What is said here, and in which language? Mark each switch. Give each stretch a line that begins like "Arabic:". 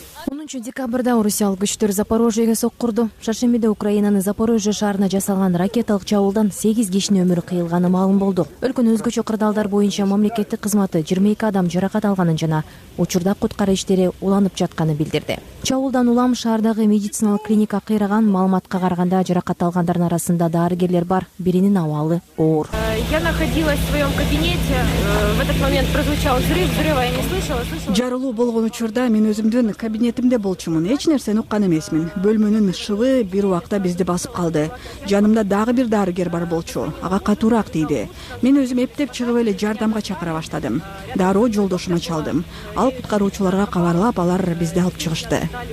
Kyrgyz: 10 декабрда орусиялык күчтөр Запорожьеге соккурду. Шаршембиде Украинанын Запорожье шаарына жасалган ракеталык чабуулдан 8 кишинин өмүрү кыйылганы маалым болду. Өлкөнүн өзгөчө кырдаалдар боюнча мамлекеттик кызматы 22 адам жаракат алганын жана учурда куткаруу иштери уланып жатканы билдирди. Чабуулдан улам шаардагы медициналык клиника кыйраган. Маалыматка караганда жаракат алгандардын арасында дарыгерлер бар, биринин абалы оор.
Russian: Я находилась в своём кабинете. В этот момент прозвучал взрыв, я не слышала.
Kyrgyz: Жарылуу болгон учурда мен өзүмдүн кабинетимде болчумун. Эч нерсени уккан эмесмин. Бөлмөнүн шыбы бир убакта бизди басып калды. Жанымда дагы бир дарыгер бар болчу. Ага катуураак тийди. Мен өзүм эптеп чыгып эле жардамга чакыра баштадым. Дароо жолдошума чалдым. Ал куткаруучуларга кабарлап, алар бизди алып чыгышты.